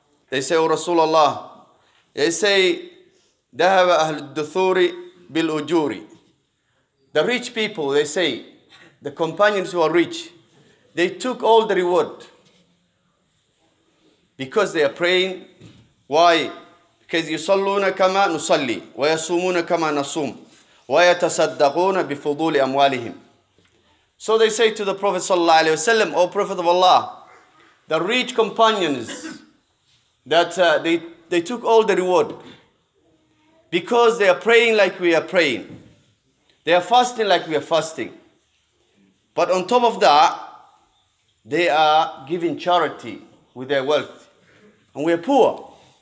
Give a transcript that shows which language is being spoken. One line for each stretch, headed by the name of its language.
English: They say, O Rasulullah, they say,
Arabic: ذهب أهل الدثور بالأجور.
English: The rich people, they say, the companions who are rich, they took all the reward because they are praying. Why? Because
Arabic: يصلون كما نصلي ويصومون كما نصوم ويتصدقون بفضول أموالهم.
English: So they say to the Prophet sallallahu alaihi wasallam, O Prophet of Allah, the rich companions, that they took all the reward because they are praying like we are praying. They are fasting like we are fasting. But on top of that, they are giving charity with their wealth. And we are poor.